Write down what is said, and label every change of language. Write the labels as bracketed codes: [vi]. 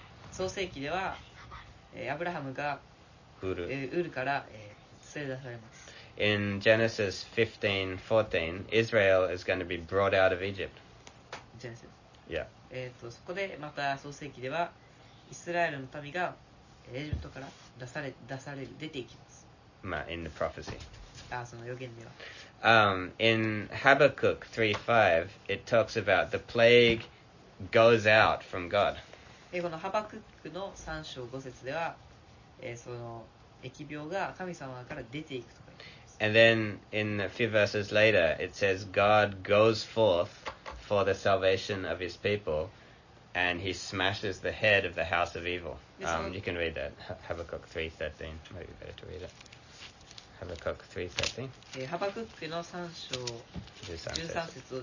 [ja] 創世記では、アブラハムがウルから、連れ出されます。 [en] In Genesis 15:14, Israel is going to be brought out of Egypt. Genesis. Yeah. [ja] そこでまた創世記ではイスラエルの民がエジプトから出される出ていきます。 [en] まあ、in the prophecy。 [ja] ああ、その予言では。 [en] In Habakkuk 3:5, it talks about the plague goes out from God. [ja] このハバクックの3章5節では、その疫病が神様から出ていくとか言います。 [en] And then in a few verses later, it says God goes forth for the salvation of his people. And he smashes the head of the house of evil. You can read that. Habakkuk 3:13. Maybe you better to read it. Habakkuk 3:13. [ja] Habakkuk の3章13節を